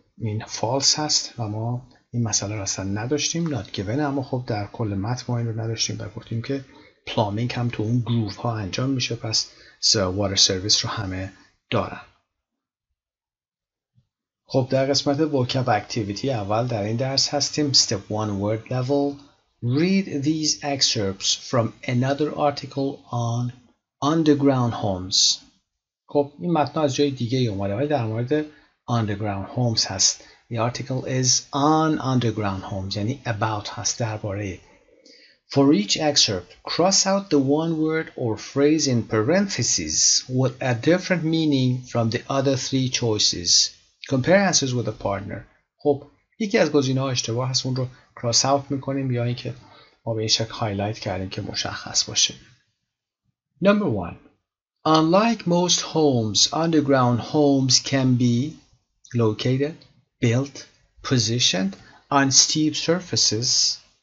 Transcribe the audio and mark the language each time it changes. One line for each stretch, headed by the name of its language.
Persian: این فالس هست و ما این مسئله را اصلا نداشتیم، not given. اما خب در کل متن ما این رو نداشتیم و گفتیم که پلامینگ هم تو اون گروف ها انجام میشه، پس water service رو همه دارن. خب در قسمت vocab activity اول در این درس هستیم.
English: Step 1 word level. Read these excerpts from another article on underground homes.
Persian: خب این متن از جای دیگه اومده ولی در مورد underground homes هست.
English: The article is on underground homes. یعنی about هست، درباره. For each excerpt, cross out the one word or phrase in parentheses with a different meaning from the other three choices. Compare answers with a partner.
Persian: خب، یکی از گزینه‌ها اشتباه هست، اون رو کراس اوت می‌کنیم یا اینکه ما به این شکل هایلایت کردیم که مشخص باشه.
English: Number 1. Unlike most homes, underground homes can be located, built, positioned on steep surfaces.